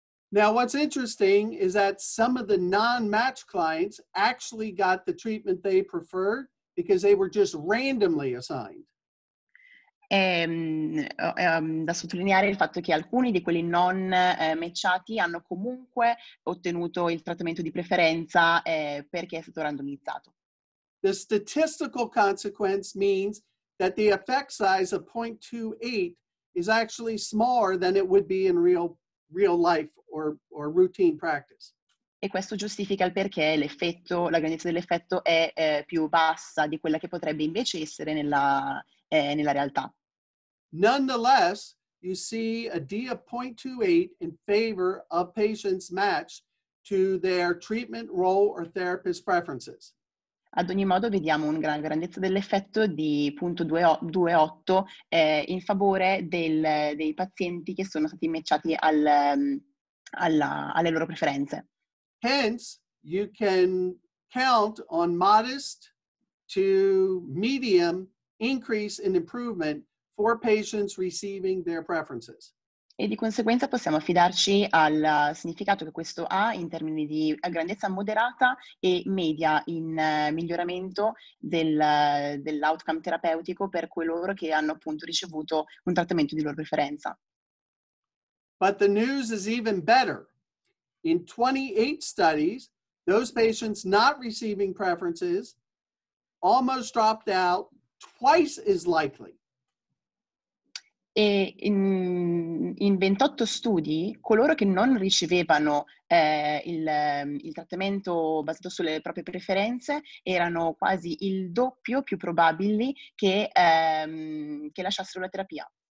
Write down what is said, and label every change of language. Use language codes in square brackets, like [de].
[en] Now what's interesting is that some of the non-match clients actually got the treatment they preferred because they were just randomly assigned. [it] da sottolineare il fatto che alcuni di quelli non matchati hanno comunque ottenuto il trattamento di preferenza perché è stato randomizzato. [en] The statistical consequence means that the effect size of 0.28 is actually smaller than it would be in real life or routine practice. [it] E questo giustifica il perché l'effetto, la grandezza dell'effetto è più bassa di quella che potrebbe invece essere nella realtà. [en] Nonetheless, you see a D of 0.28 in favor of patients matched to their treatment role or therapist preferences. [it] Ad ogni modo, vediamo una grandezza dell'effetto di 0.28 in favore dei pazienti che sono stati matchati alle loro preferenze. [en] Hence, you can count on modest to medium increase in improvement for patients receiving their preferences. [it] E di conseguenza possiamo affidarci al significato che questo ha in termini di grandezza moderata e media in miglioramento dell'outcome terapeutico per coloro che hanno appunto ricevuto un trattamento di loro preferenza. [en] But the news is even better. In 28 studies, those patients not receiving preferences almost dropped out twice as likely. [it] E in 28 studi, coloro che non ricevevano il trattamento basato sulle proprie preferenze erano quasi il doppio più probabili che lasciassero la terapia.